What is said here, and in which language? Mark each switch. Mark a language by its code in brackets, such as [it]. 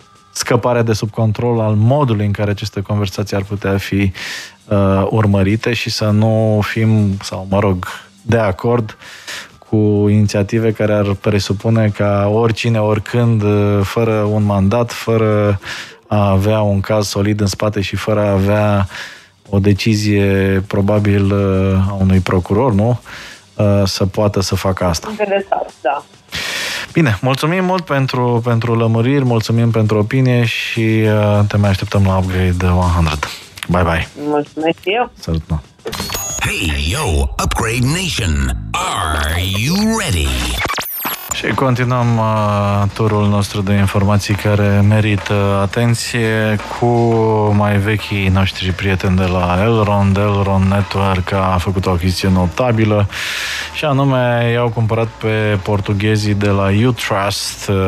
[ro] scăparea de sub control al modului în care aceste conversații ar putea fi urmărite și să nu fim, sau mă rog, de acord cu inițiative care ar presupune ca oricine, oricând, fără un mandat, fără a avea un caz solid în spate și fără a avea o decizie probabil a unui procuror, nu? Să poată să facă asta. Interesant, da. Bine, mulțumim mult pentru lămuriri, mulțumim pentru opinie și te mai așteptăm la Upgrade 100. Bye, bye! Mulțumesc eu! Salut, mă! [en] Hey, yo, Upgrade Nation, are you ready? [ro] Și continuăm turul nostru de informații care merită atenție cu mai vechii noștri prieteni de la Elrond. Elrond Network a făcut o achiziție notabilă și anume i-au cumpărat pe portughezii de la U-Trust.